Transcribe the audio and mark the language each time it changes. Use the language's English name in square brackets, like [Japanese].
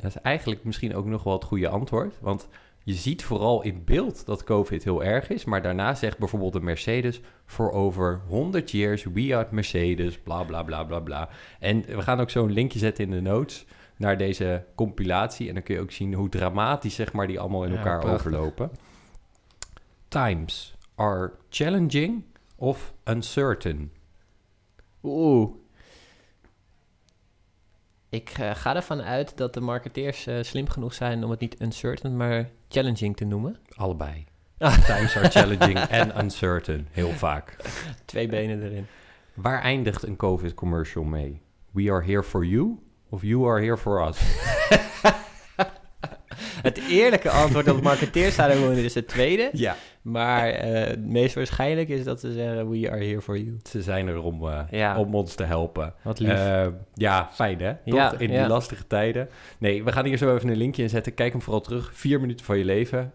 [Dutch] Dat is eigenlijk misschien ook nog wel het goede antwoord, want je ziet vooral in beeld dat COVID heel erg is, maar daarna zegt bijvoorbeeld de Mercedes, voor [English] over 100 years, we are Mercedes, [Dutch] bla bla bla bla bla. En we gaan ook zo een linkje zetten in de notes naar deze compilatie en dan kun je ook zien hoe dramatisch zeg maar die allemaal in elkaar overlopen. [English] Times are challenging of uncertain? [Dutch] Ik ga ervan uit dat de marketeers slim genoeg zijn om het niet uncertain, maar challenging te noemen. Allebei. [English] Times are challenging [Dutch] en uncertain, heel vaak. Twee benen erin. Waar eindigt een COVID commercial mee? [English] We are here for you of you are here for us? [Dutch] Het eerlijke antwoord op marketeers zouden worden is het tweede. Ja. Maar het meest waarschijnlijk is dat ze zeggen, [English] we are here for you. [Dutch] Ze zijn er om ons te helpen. Wat lief. Fijn hè? Toch? In die lastige tijden. Nee, we gaan hier zo even een linkje in zetten. Kijk hem vooral terug. 4 minuten van je leven.